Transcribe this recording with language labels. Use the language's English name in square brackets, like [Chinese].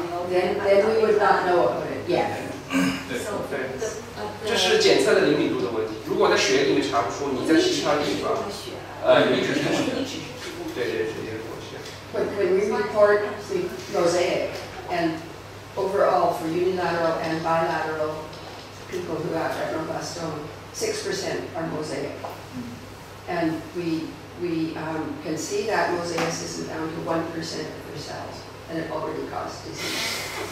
[English] Then we would not know about it yet. [Chinese] 对，这是检测的灵敏度的问题。如果在血液里面查不出，你在其他地方，你只是对。 [English] When we report the mosaic and overall for unilateral and bilateral people who have retinoblastoma, 6% are mosaic. And we can see that mosaicism down to 1% of their cells, and it already caused disease.